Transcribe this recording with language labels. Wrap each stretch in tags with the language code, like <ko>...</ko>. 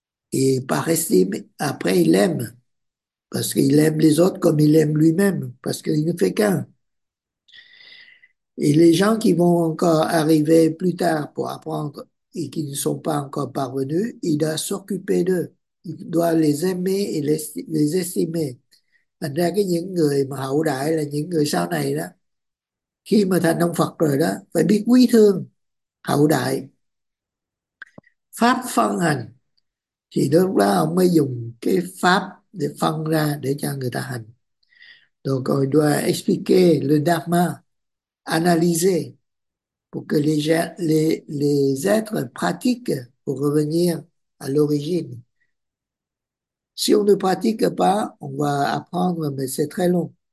<fr>Et par estime, après, il aime. Parce qu'il aime les autres comme il aime lui-même. Parce qu'il ne fait qu'un. Et les gens qui vont encore arriver plus tard pour apprendre et qui ne sont pas encore parvenus, il doit s'occuper d'eux. Il doit les aimer et les estimer.</fr> <vi>Thành ra cái những người mà hậu đại là những người sau này đó, khi mà thành ông Phật rồi đó, phải biết quý thương hậu đại. Pháp phân hành, thì lúc đó ông mới dùng cái pháp để phân ra để cho người ta hành. Rồi còn</vi> <fr>doit expliquer le dharma, analyser pour que les êtres pratiquent pour revenir à l'origine. Si on ne pratique pas, on va apprendre, mais c'est très long.</fr>